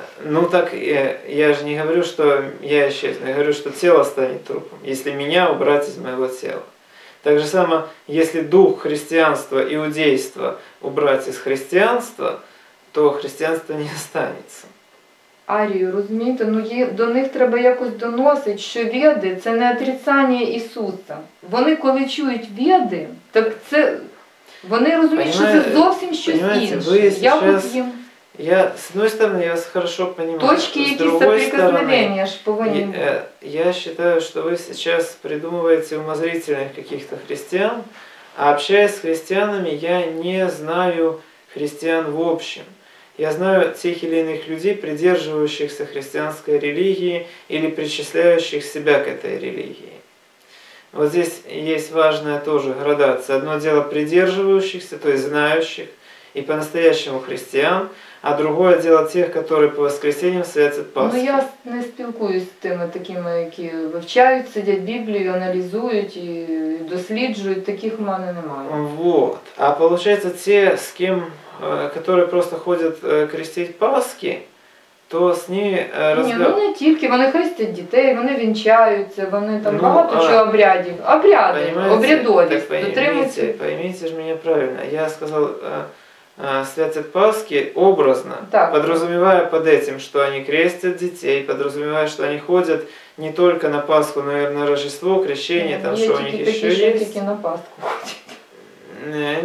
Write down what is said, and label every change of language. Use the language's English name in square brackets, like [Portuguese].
[Russian] Ну так, я же не говорю, что я исчезну, я говорю, что тело станет трупом, если меня убрать из моего тела. Так же самое, если дух христианства, иудейства убрать из христианства, то христианство не останется. [Ukrainian] Арію, розумієте, ну до них треба якось доносить, що веди – це не отрицання Ісуса. Вони, коли чують веди, так це... Вони розуміють, що це зовсім щось інше. [Russian] Я сейчас... їм... Я, с одной стороны, я вас хорошо понимаю. Точки и соприкосновения аж повинен. Я считаю, что вы сейчас придумываете умозрительных каких-то христиан, а общаясь с христианами, я не знаю христиан в общем. Я знаю тех или иных людей, придерживающихся христианской религии или причисляющих себя к этой религии. Вот здесь есть важная тоже градация. Одно дело придерживающихся, то есть знающих, и по-настоящему христиан, а другое дело тех, которые по воскресеньям святят Пасху. [Ukrainian] Ну я не спілкуюсь с теми такими, які вивчають, сидять Библию, аналізуют и досліджують, таких у мене немає. [Russian] Вот. А получается, те, с кем, которые просто ходят крестить Пасхи, то с ними [Ukrainian] Ні, ну не тільки, вони хрестять дітей, вони вінчаються, вони там багато чого обрядів. Обряди, обрядовість. Поймите ж мене правильно. Я сказав, [Russian] святят Пасхи образно, так, подразумевая под этим, что они крестят детей, подразумевая, что они ходят не только на Пасху, но и на Рождество, крещение, там, что у них еще есть. Нет, такие на Пасху ходят.